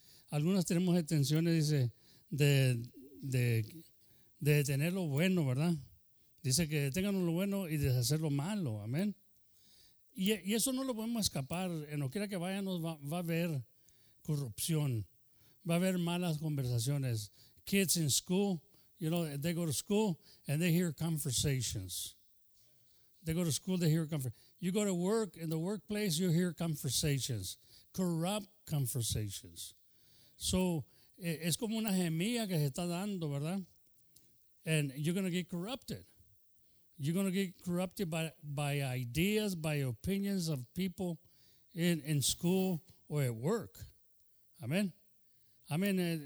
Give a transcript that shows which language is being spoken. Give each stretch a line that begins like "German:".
Spanish: Algunas tenemos intenciones, dice, de detener lo bueno, ¿verdad? Dice que detengan lo bueno y deshacer lo malo, amén. Y eso no lo podemos escapar. En lo que quiera que vayamos, va a haber corrupción, va a haber malas conversaciones.
English: Kids in school, you know, they go to school and they hear conversations. They go to school, they hear conversations. You go to work, in the workplace, you hear conversations, corrupt conversations.
Spanish: So, es como una semilla que se está dando, ¿verdad?
English: And you're going to get corrupted. You're going to get corrupted by ideas, by opinions of people in school or at work. Amen. Amen.